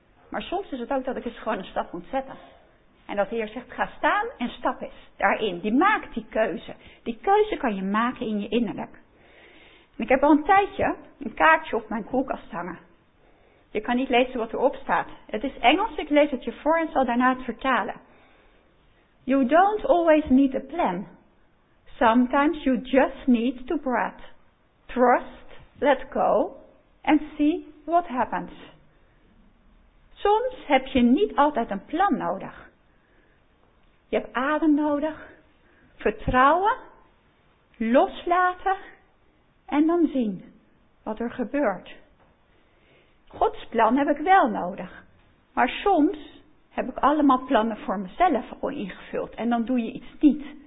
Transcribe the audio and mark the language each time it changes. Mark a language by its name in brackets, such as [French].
[Dutch] Maar soms is het ook dat ik eens gewoon een stap moet zetten. En dat de Heer zegt, ga staan en stap eens daarin. Die maakt die keuze. Die keuze kan je maken in je innerlijk. En ik heb al een tijdje een kaartje op mijn koelkast hangen. Je kan niet lezen wat erop staat. Het is Engels, ik lees het je voor en zal daarna het vertalen. [English] You don't always need a plan. Sometimes you just need to breathe. Trust, let go and see what happens. [Dutch] Soms heb je niet altijd een plan nodig. Je hebt adem nodig, vertrouwen, loslaten en dan zien wat er gebeurt. Gods plan heb ik wel nodig, maar soms heb ik allemaal plannen voor mezelf al ingevuld en dan doe je iets niet.